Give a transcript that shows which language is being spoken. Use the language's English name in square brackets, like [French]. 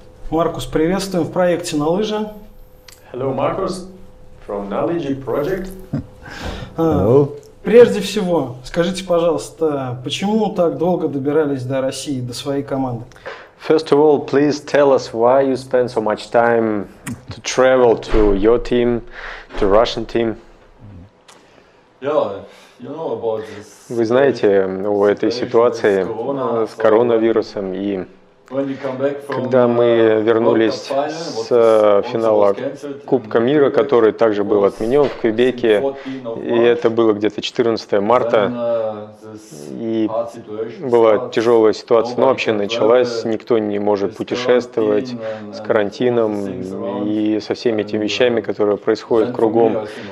[Russian] Маркус, приветствуем в проекте «На лыжи». [English] Hello, Marcus from Knowledge Project. Hello. [Russian] Прежде всего, скажите, пожалуйста, почему так долго добирались до России, до своей команды? [English] First of all, please tell us why you spend so much time to travel to your team, to Russian team. Yeah, you know about this. [Russian] Вы знаете о этой ситуации с коронавирусом и когда мы вернулись с финала Кубка мира, который также был отменен в Квебеке, и это было где-то 14 марта, и была тяжелая ситуация, но вообще началась, никто не может путешествовать с карантином и со всеми этими вещами, которые происходят кругом.